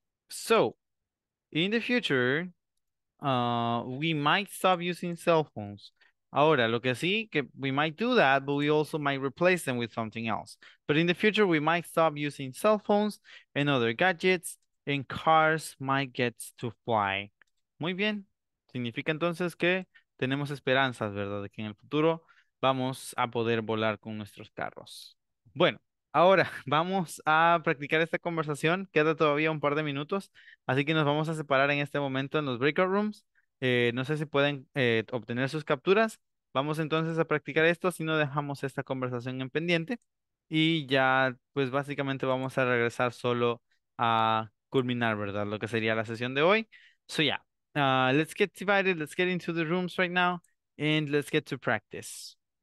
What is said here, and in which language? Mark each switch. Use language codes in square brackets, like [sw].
[en] So, in the future, we might stop using cell phones. [es] Ahora, lo que sí, que [en] we might do that, but we also might replace them with something else. But in the future, we might stop using cell phones and other gadgets, and cars might get to fly. [es] Muy bien. Significa entonces que tenemos esperanzas, ¿verdad? De que en el futuro vamos a poder volar con nuestros carros. Bueno, ahora vamos a practicar esta conversación. Queda todavía un par de minutos, así que nos vamos a separar en este momento en los breakout rooms. No sé si pueden obtener sus capturas. Vamos entonces a practicar esto, si no dejamos esta conversación en pendiente. Y ya, pues básicamente vamos a regresar solo a culminar, ¿verdad? Lo que sería la sesión de hoy. [en] So yeah, let's get divided, let's get into the rooms right now, and let's get to practice.